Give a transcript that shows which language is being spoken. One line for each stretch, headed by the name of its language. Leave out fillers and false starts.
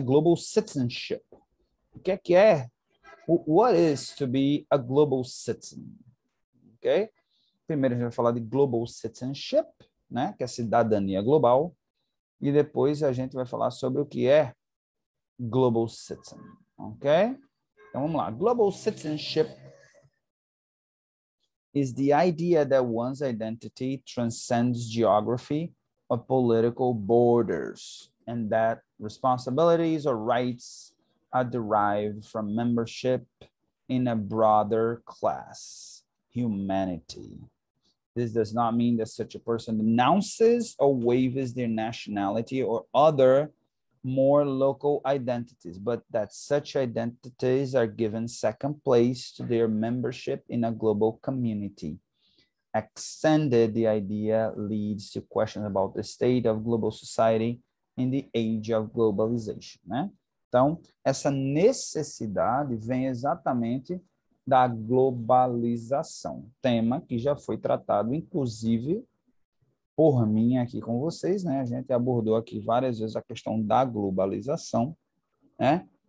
Portuguese: Global citizenship. O que é?
English: What is to be a global citizen?
Portuguese: Ok? Primeiro a gente vai falar de global citizenship, né, que é a cidadania global, e depois a gente vai falar sobre o que é global citizen, ok? Então vamos lá.
English: Global citizenship is the idea that one's identity transcends geography or political borders, and that responsibilities or rights are derived from membership in a broader class, humanity. This does not mean that such a person denounces or waives their nationality or other more local identities, but that such identities are given second place to their membership in a global community. Extended, the idea leads to questions about the state of global society in the age of globalization, né?
Portuguese: Então, essa necessidade vem exatamente da globalização, tema que já foi tratado, inclusive, por mim aqui com vocês, né? A gente abordou aqui várias vezes a questão da globalização, né?